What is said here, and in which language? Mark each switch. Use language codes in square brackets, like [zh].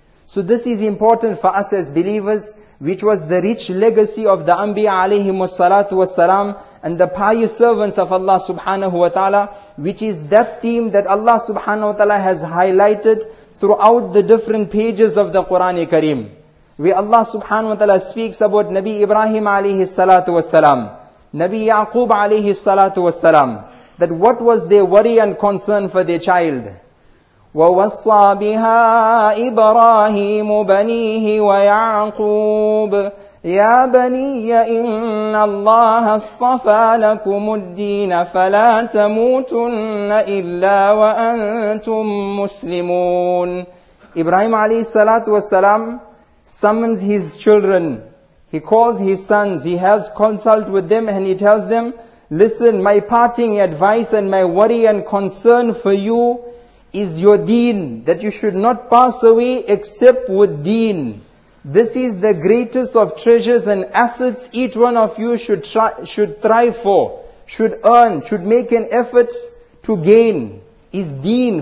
[en] So this is important for us as believers, which was the rich legacy of the Anbiya alayhim wassalatu wassalam and the pious servants of Allah subhanahu wa ta'ala, which is that theme that Allah subhanahu wa ta'ala has highlighted throughout the different pages of the Qur'an Kareem, where Allah subhanahu wa ta'ala speaks about Nabi Ibrahim alayhi salatu wassalam, Nabi Yaqub alayhi salatu wassalam, that what was their worry and concern for their child? [ar] وَوَصَّى بِهَا إِبْرَاهِيمُ بَنِيهِ وَيَعْقُوبُ يَا بَنِيَّ إِنَّ اللَّهَ اصْطَفَى لَكُمُ الدِّينَ فَلَا تَمُوتُنَّ إِلَّا وَأَنْتُمْ مُسْلِمُونَ [en] Ibrahim alayhi salatu wassalam summons his children. He calls his sons. He has consult with them and he tells them, listen, my parting advice and my worry and concern for you is your deen, that you should not pass away except with deen. This is the greatest of treasures and assets each one of you should thrive for, should earn, should make an effort to gain, is deen.